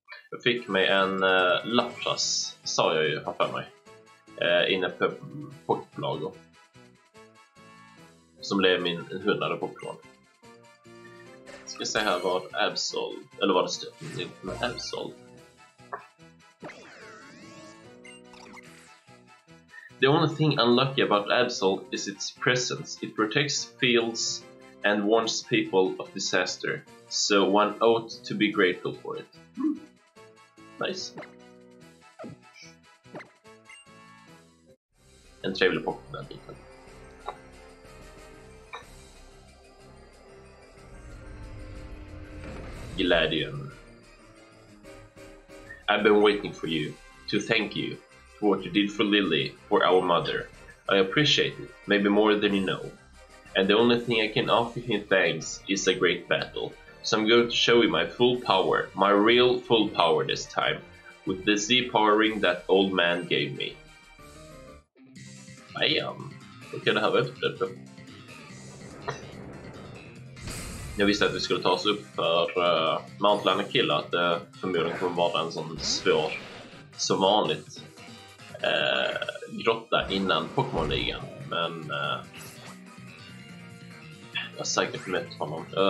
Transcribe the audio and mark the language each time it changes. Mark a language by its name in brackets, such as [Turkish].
[Swedish] Jag fick mig en Lapras, sa jag ju för mig. Inne på Poképlago. Som blev min 100 Pokémon. Ska se här vad Absol, eller vad det står med Absol. [English] The only thing unlucky about Absol is its presence. It protects fields and warns people of disaster, so one ought to be grateful for it. Nice. [Swedish] En trevlig Pokémon där liten. Gladion. [English] I've been waiting for you to thank you. What you did for Lily, for our mother. I appreciate it, maybe more than you know. And the only thing I can offer him thanks is a great battle. So I'm going to show you my full power, my real full power this time, with the Z-Power Ring that old man gave me. I am. What can I have after that? [Swedish] Jag visste att vi skulle ta oss upp för Mount Lanakilla, att det förmodligen kommer vara en sån svår som vanligt. Grotta innan Pokémon-ligan, men jag har säkert mött honom.